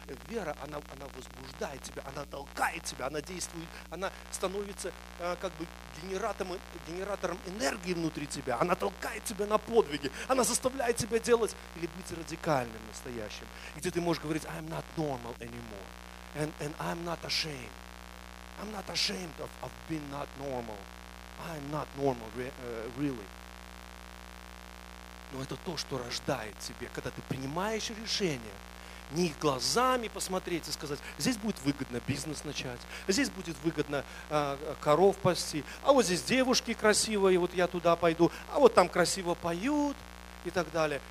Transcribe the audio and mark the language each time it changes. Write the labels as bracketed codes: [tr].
[ru] Вера, она возбуждает тебя, она толкает тебя, она действует, она становится как бы генератором энергии внутри тебя. Она толкает тебя на подвиги, она заставляет тебя делать или быть радикальным, настоящим. Где ты можешь говорить, [en] I'm not normal anymore. And I'm not ashamed. I'm not ashamed of being not normal. I'm not normal, really. [ru] Но это то, что рождает тебе, когда ты принимаешь решение, не их глазами посмотреть и сказать, здесь будет выгодно бизнес начать, здесь будет выгодно коров пасти, а вот здесь девушки красивые, вот я туда пойду, а вот там красиво поют и так далее.